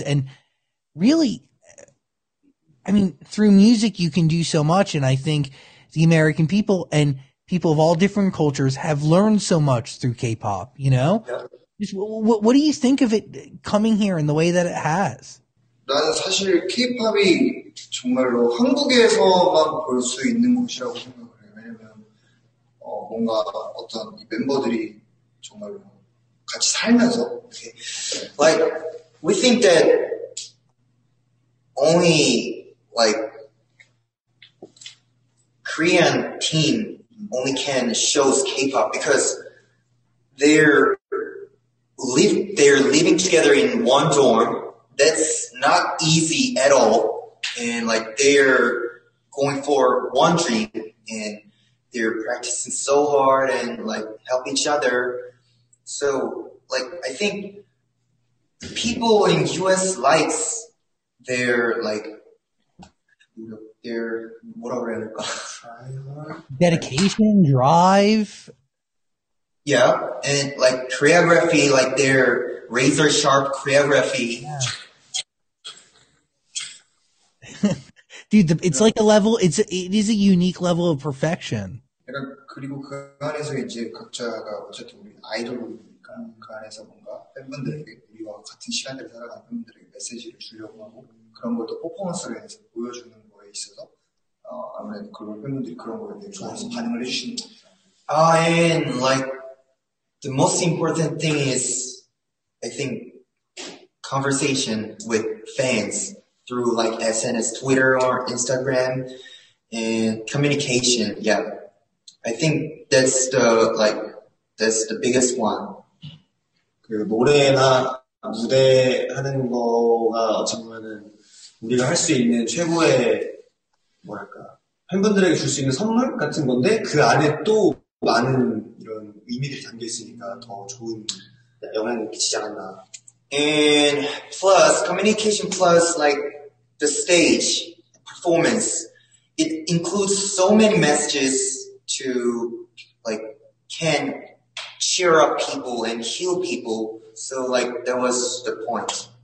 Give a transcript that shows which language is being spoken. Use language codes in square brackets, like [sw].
[en] And really, I mean, through music, you can do so much. And I think the American people and people of all different cultures have learned so much through K-pop, you know? Yeah. Just, what do you think of it coming here in the way that it has? [ko] 나는 사실 K-pop이 정말로 한국에서만 볼 수 있는 곳이라고 생각을 해요. 왜냐면 뭔가 어떤 이 멤버들이 정말로 같이 살면서 이렇게. [en] Like, we think that only like Korean team only can show K-pop because they're living together in one dorm. That's not easy at all. And like they're going for one dream and they're practicing so hard and like help each other. So like I think the people in US likes their like their whatever it is. Dedication, drive. Yeah, and like choreography, like their razor sharp choreography. Yeah. Dude, it's like a level. It is a unique level of perfection. [ko] 약간 그리고 그 안에서 이제 각자가 어쨌든 우리 아이돌이니까 그 안에서 뭔가 팬분들에게 우리와 같은 시간대를 살아가는 팬분들에게 메시지를 주려고 하고 그런 것도 퍼포먼스를 해서 보여주는 거에 있어서 아무래도 그런 팬분들이 그런 거에 대해 좋아해서 반응을 해주시는. [en] And like the most important thing is, I think, conversation with fans. Through like SNS, Twitter or Instagram and communication. Yeah. I think that's the biggest one. [ko] 그 노래나 무대 하는 거가 어쩌면은 우리가 할 수 있는 최고의 뭐랄까 팬분들에게 줄 수 있는 선물 같은 건데 그 안에 또 많은 이런 의미들이 담겨 있으니까 더 좋은 영향을 끼치지 않았나. [en] And plus communication plus like the stage performance, it includes so many messages to like can cheer up people and heal people. So like that was the point.